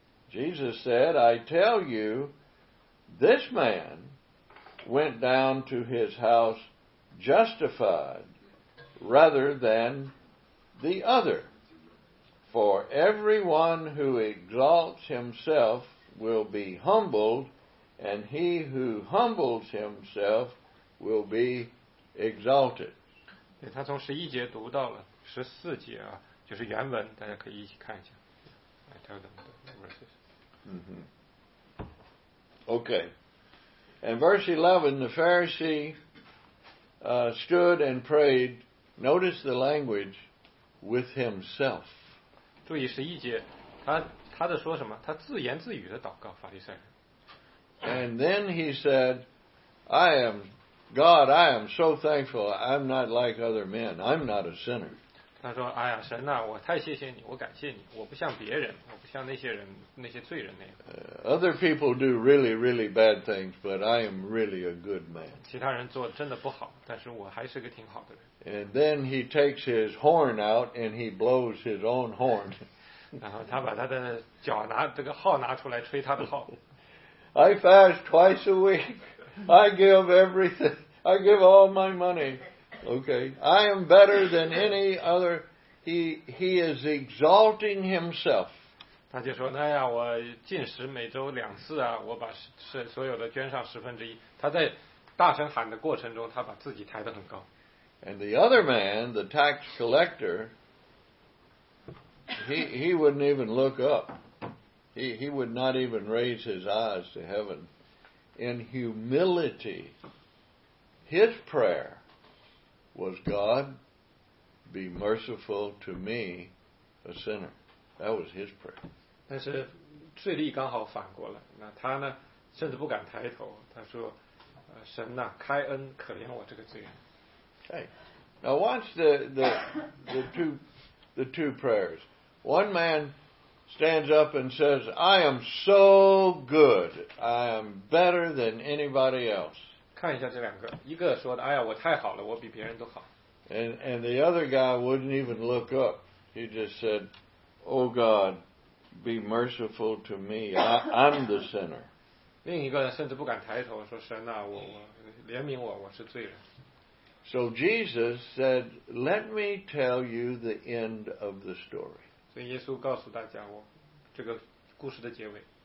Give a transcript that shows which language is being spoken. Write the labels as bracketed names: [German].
[English] Jesus said, I tell you, this man went down to his house justified rather than the other. For everyone who exalts himself will be humbled, and he who humbles himself will be exalted. [Chinese] 对，他从十一节读到了十四节啊，就是原文，大家可以一起看一下。 [English] I tell them the verses. Mm-hmm. Okay. And verse 11, the Pharisee stood and prayed. Notice the language with himself. [Chinese] 注意十一节，他在说什么？他自言自语的祷告，法利赛人。 [English] And then he said, I am God, I am so thankful. I'm not like other men. I'm not a sinner. [Chinese] 他说，哎呀，神啊，我太谢谢你，我感谢你，我不像别人，我不像那些人，那些罪人那样。 [English] Other people do really, really bad things, but I am really a good man. [Chinese] 其他人做真的不好，但是我还是个挺好的人。 [English] And then he takes his horn out and he blows his own horn. [Chinese] 然后他把他的脚拿这个号拿出来吹他的号。 [English] I fast twice a week. I give everything. I give all my money. Okay. I am better than any other. He is exalting himself. [Chinese] 他就说，哎呀，我进食每周两次啊，我把所有的捐上十分之一。他在大声喊的过程中，他把自己抬得很高。 [English] And the other man, the tax collector, he wouldn't even look up. He would not even raise his eyes to heaven. In humility, his prayer was, God, be merciful to me, a sinner. That was his prayer. [Chinese] 但是税吏刚好反过来，那他呢，甚至不敢抬头，他说，神哪，开恩，可怜我这个罪人。 [English] Okay. Now watch the two prayers. One man stands up and says, I am so good. I am better than anybody else. [Chinese] 看一下这两个，一个说的，哎呀，我太好了，我比别人都好。 [English] And the other guy wouldn't even look up. He just said, Oh God, be merciful to me. I'm the sinner. [Chinese] 另一个甚至不敢抬头说，神啊，我怜悯我，我是罪人。 [English] So Jesus said, Let me tell you the end of the story. [Chinese] 所以耶稣告诉大家我这个故事的结尾。